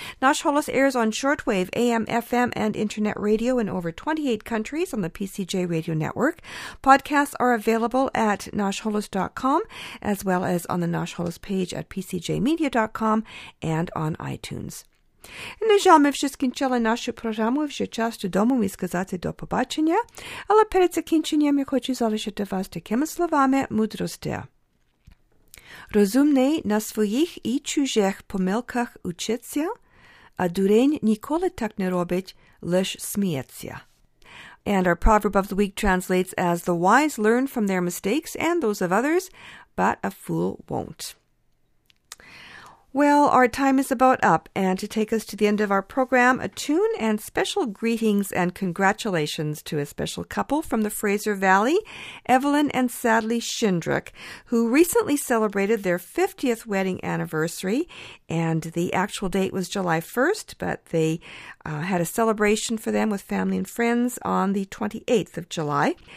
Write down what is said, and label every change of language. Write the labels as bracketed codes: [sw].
[en] Nash Holos airs on shortwave, AM, FM, and internet radio in over 28 countries on the PCJ Radio Network. Podcasts are available at nashholos.com, as well as on the Nash Holos page at pcjmedia.com and on iTunes. [uk] На жаль, ми вже скінчили нашу програму, вже час додому і сказати до побачення. Але перед закінченням я хочу залишити вас такими словами мудрості. Розумний на своїх і чужих помилках учиться, а дурень ніколи так не робить, лиш сміється. [en] And our proverb of the week translates as, the wise learn from their mistakes and those of others, but a fool won't. Well, our time is about up, and to take us to the end of our program, a tune and special greetings and congratulations to a special couple from the Fraser Valley, Evelyn and Sadly Shindrick, who recently celebrated their 50th wedding anniversary, and the actual date was July 1st, but they had a celebration for them with family and friends on the 28th of July.